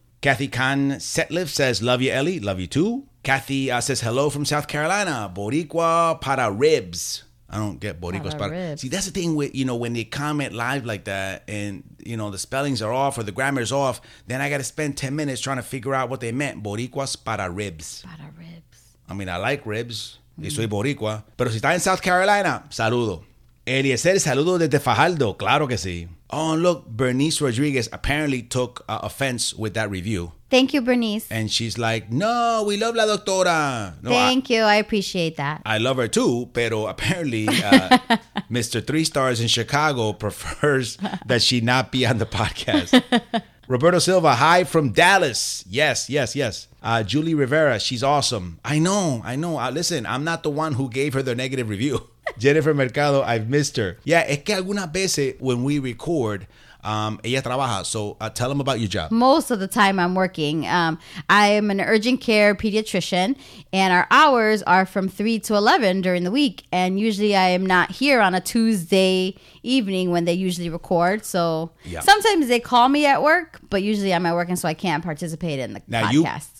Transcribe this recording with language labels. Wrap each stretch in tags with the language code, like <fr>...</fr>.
<en>Kathy Khan Setliff says, love you, Ellie. Love you too. Kathy says, hello from South Carolina. Boricua para ribs. I don't get boricua para ribs. See, that's the thing with, you know, when they comment live like that and, you know, the spellings are off or the grammar is off, then I got to spend 10 minutes trying to figure out what they meant.</en> <es>Boricuas para ribs. Para ribs.</es> <en>I mean, I like ribs.</en> <es>Y soy boricua. Pero si está en South Carolina, saludo. Eliezer, saludo desde Fajardo. Claro que sí.</es> <en>Oh, look, Bernice Rodriguez apparently took offense with that review. Thank you, Bernice. And she's like, no, we love La Doctora. No, Thank you. I appreciate that. I love her too, pero apparently Mr. Three Stars in Chicago prefers that she not be on the podcast. Roberto Silva, hi from Dallas. Yes, yes, yes. Julie Rivera, she's awesome. I know. Listen, I'm not the one who gave her the negative review. Jennifer Mercado, I've missed her.</en> <es>Yeah, es que algunas veces</es> <en>when we record,</en> <es>ella trabaja.</es> <en>So tell them about your job. Most of the time I'm working. I am an urgent care pediatrician, and our hours are from 3 to 11 during the week. And usually I am not here on a Tuesday evening when they usually record. So yeah. Sometimes they call me at work, but usually I'm at work, and so I can't participate in the podcast.</en>